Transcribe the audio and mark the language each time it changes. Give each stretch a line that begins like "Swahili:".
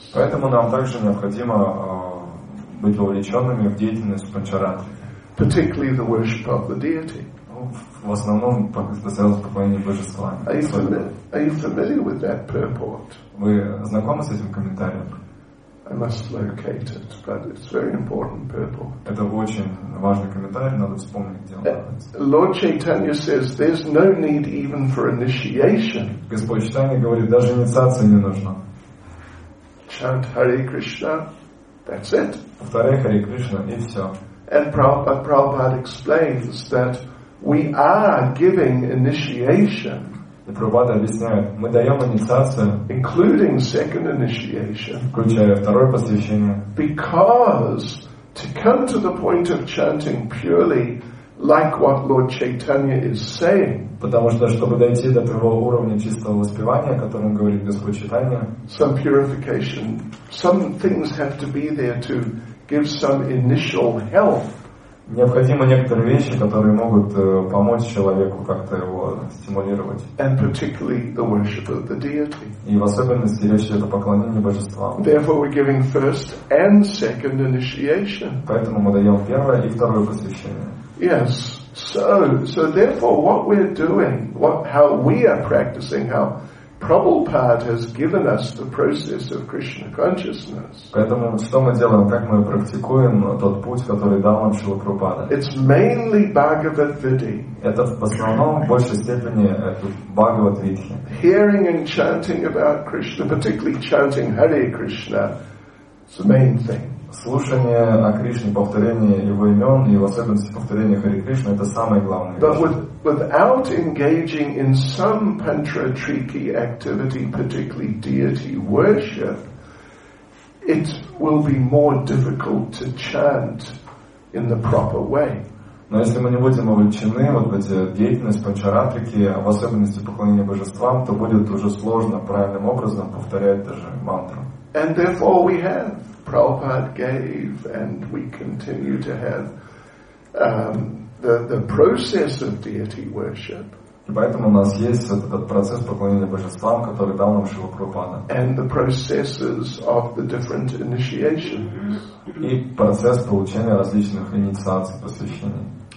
Russian: Поэтому нам также необходимо быть вовлеченными в деятельность панчаратри.
English: Particularly the worship of the deity.
Russian: В основном связано с поклонением божества.
English: Are you familiar with that purport?
Russian: Вы знакомы с этим комментарием?
English: I must locate it, but it's very important purport.
Russian: Это очень важный комментарий, надо вспомнить, где он находится.
English: Lord Chaitanya says there's no need even for initiation.
Russian: Господь Чайтанья говорит, даже инициация не нужна.
English: Chant Hare Krishna, that's it.
Russian: Повторяй Харе Кришна, и все.
English: And Prabhupada explains that we are giving initiation.
Russian: И Прабхупада объясняет, мы даем инициацию,
English: including second initiation,
Russian: включая второе посвящение,
English: because to come to the point of chanting purely, like what Lord Chaitanya is saying,
Russian: потому что чтобы дойти до первого уровня чистого воспевания, о котором говорит Господь Чайтанья,
English: some purification, some things have to be there to give some initial help.
Russian: Необходимы некоторые вещи, которые могут помочь человеку как-то его стимулировать.
English: And particularly the worship of the deity.
Russian: И в особенности речь идет о поклонении божествам.
English: Therefore, we're giving first and second initiation.
Russian: Поэтому мы даем первое и второе посвящение.
English: Yes. So therefore, what we're doing, how we are practicing, how Prabhupada has given us the process of Krishna consciousness.
Russian: Поэтому что мы делаем, как мы практикуем тот путь, который дал нам Шрила Прабхупада?
English: It's mainly Bhagavad Vidhi.
Russian: Это в основном, в большей степени, это Bhagavad Vidhi.
English: Hearing and chanting about Krishna, particularly chanting Hare Krishna, it's the main thing.
Russian: Слушание о Кришне, повторение его имен и в особенности повторение Харе Кришны — это самое главное.
English: But without engaging in some panchatriki activity, particularly deity worship, it will be more difficult to chant in the proper way.
Russian: Но если мы не будем вовлечены вот в эти деятельности панчаратрики, в особенности поклонение божествам, то будет уже сложно правильным образом повторять даже мантру.
English: And therefore we have. Prabhupada gave, and we continue to have the process of deity worship.
Russian: И поэтому у нас есть этот процесс поклонения божествам, который дал нам Шрила Прабхупада.
English: And the processes of the different initiations.
Russian: И процесс получения различных инициаций, посвящений.